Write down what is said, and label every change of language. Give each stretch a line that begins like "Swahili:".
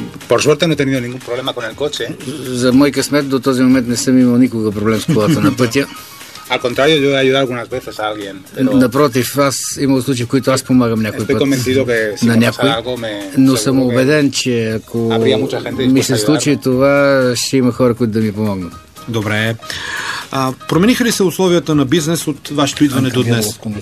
Spanish: Por suerte no he tenido ningún problema con el coche.
Bulgarian: За мой късмет до този момент не съм имал никога проблем с колата на пътя.
Spanish: Al contrario, yo he ayudado algunas veces a alguien.
Bulgarian: Напротив, аз имам случаи, в които аз помагам някой път. На някой. Но съм убеден, че ако ми се случи това, ще има хора, които да ми помогнат. Добре. Промениха ли се условията на бизнес от вашето идване до днес?